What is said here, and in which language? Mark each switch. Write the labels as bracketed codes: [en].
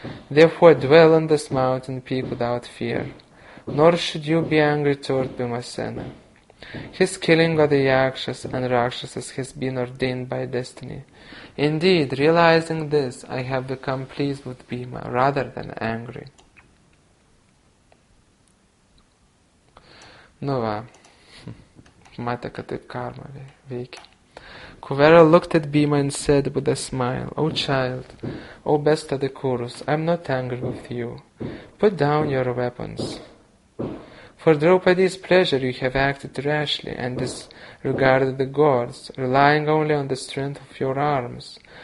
[en] Therefore dwell on this mountain peak without fear. Nor should you be angry toward Bhimasena. His killing of the Yakshas and Rakshasas has been ordained by destiny. Indeed, realizing this, I have become pleased with Bhima rather than angry. [lt] Nu va, matė, kad taip karma veikia. [en] Kuvera looked at Bhima and said with a smile, O child, O best of the Kurus, I am not angry with you. Put down your weapons. For Draupadi's pleasure you have acted rashly and disregarded the gods, relying only on the strength of your arms.